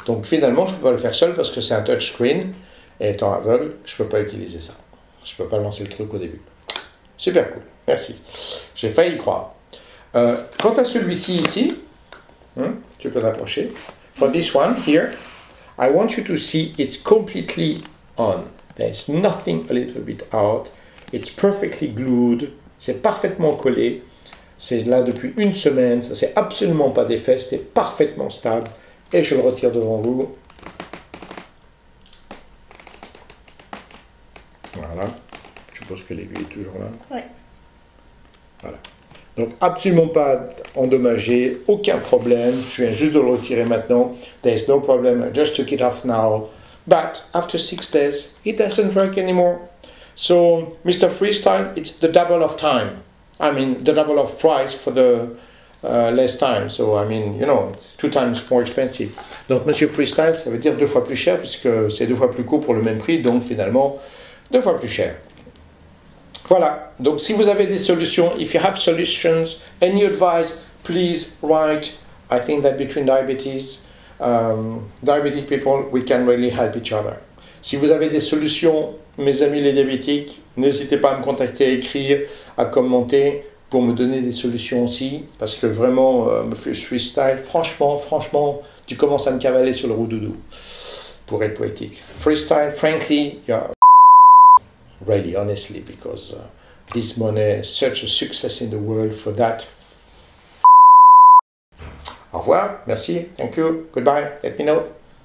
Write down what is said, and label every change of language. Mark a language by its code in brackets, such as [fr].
[fr] Donc finalement, je ne peux pas le faire seul parce que c'est un touchscreen. Et étant aveugle, je ne peux pas utiliser ça. Je ne peux pas lancer le truc au début. Super cool. Merci. J'ai failli y croire. Quant à celui-ci ici, tu peux l'approcher. [en] For this one here, I want you to see it's completely on. There's nothing a little bit out. It's perfectly glued. [fr] C'est parfaitement collé. C'est là depuis une semaine, ça s'est absolument pas défait, c'était parfaitement stable. Et je le retire devant vous. Voilà. Je suppose que l'aiguille est toujours là. Oui. Voilà. Donc absolument pas endommagé, aucun problème. Je viens juste de le retirer maintenant. [en] There's no problem, I just took it off now. But after 6 days, it doesn't work anymore. So, Mr. Freestyle, it's the double of time. I mean, the double of price for the less time. So, I mean, you know, it's 2 times more expensive. [fr] Donc, Monsieur Freestyle, ça veut dire 2 fois plus cher puisque c'est 2 fois plus court pour le même prix. Donc, finalement, 2 fois plus cher. Voilà. Donc, si vous avez des solutions, [en] if you have solutions, any advice, please write. I think that between diabetic people, we can really help each other. [fr] Si vous avez des solutions, mes amis les diabétiques, n'hésitez pas à me contacter, à écrire, à commenter. pour me donner des solutions aussi, parce que vraiment, freestyle, franchement, tu commences à me cavaler sur le roux-doudou, pour être poétique. [en] Freestyle, frankly, you're really, honestly, because this money is such a success in the world for that. [fr] Au revoir, merci, [en] thank you, goodbye, let me know.